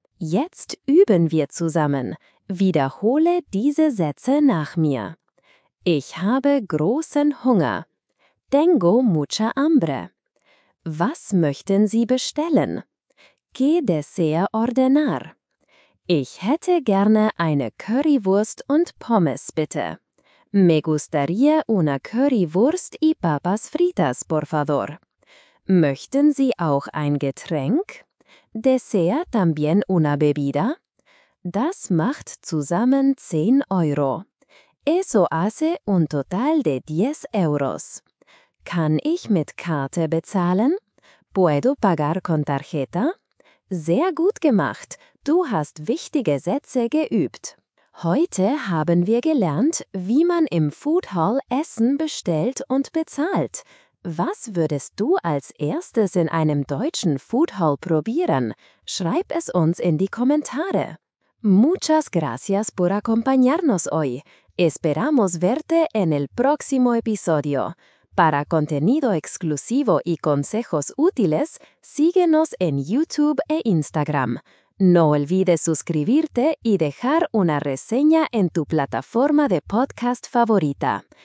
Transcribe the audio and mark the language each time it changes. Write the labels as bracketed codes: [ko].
[de] Jetzt üben wir zusammen. Wiederhole diese Sätze nach mir. Ich habe großen Hunger. [es] Tengo mucha hambre. [de] Was möchten Sie bestellen? [es] ¿Qué desea ordenar? [de] Ich hätte gerne eine Currywurst und Pommes, bitte. [es] Me gustaría una Currywurst y papas fritas, por favor. [de] Möchten Sie auch ein Getränk? [es] ¿Desea también una bebida? [de] Das macht zusammen 10 Euro. [es] Eso hace un total de 10 euros. [de] Kann ich mit Karte bezahlen? [es] ¿Puedo pagar con tarjeta? [de] Sehr gut gemacht. Du hast wichtige Sätze geübt. Heute haben wir gelernt, wie man im Food Hall Essen bestellt und bezahlt. Was würdest du als erstes in einem deutschen Food Hall probieren? Schreib es uns in die Kommentare. [es] Muchas gracias por acompañarnos hoy. Esperamos verte en el próximo episodio. Para contenido exclusivo y consejos útiles, síguenos en YouTube e Instagram. No olvides suscribirte y dejar una reseña en tu plataforma de podcast favorita.